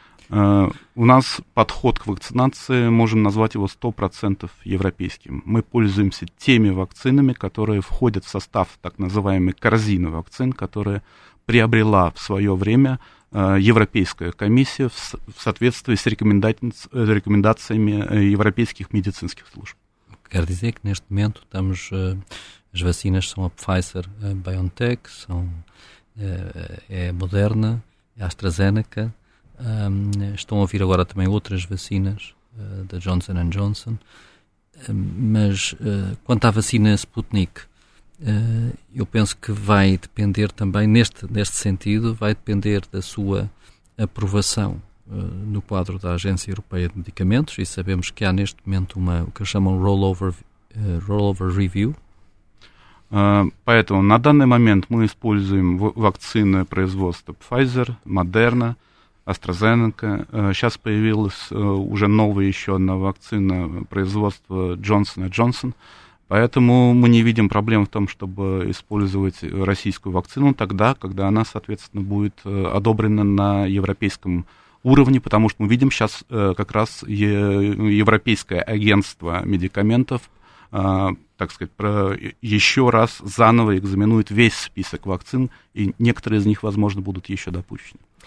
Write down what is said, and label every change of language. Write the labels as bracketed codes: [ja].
[ru] У нас подход к вакцинации, можем назвать его 100% европейским. Мы пользуемся теми вакцинами, которые входят в состав так называемой корзины вакцин, которые приобрела в свое время Европейская комиссия в соответствии с рекомендациями европейских медицинских служб. [pt] Quer dizer que neste momento estamos, as vacinas são a Pfizer, a BioNTech, são, é a Moderna, a AstraZeneca. Estão a vir agora também outras vacinas da Johnson & Johnson, mas quanto à vacina Sputnik, eu penso que vai depender também, neste sentido, vai depender da sua aprovação no quadro da Agência Europeia de Medicamentos, e sabemos que há neste momento uma, o que chamam rollover review. [ru] Поэтому, на данный момент мы используем вакцины производства Pfizer, Moderna, AstraZeneca. Сейчас появилась уже новая еще одна вакцина производства Johnson & Johnson. Поэтому мы не видим проблем в том, чтобы использовать российскую вакцину тогда, когда она, соответственно, будет одобрена на европейском уровне, потому что мы видим сейчас как раз Европейское агентство медикаментов, так сказать, еще раз заново экзаменует весь список вакцин, и некоторые из них, возможно, будут еще допущены.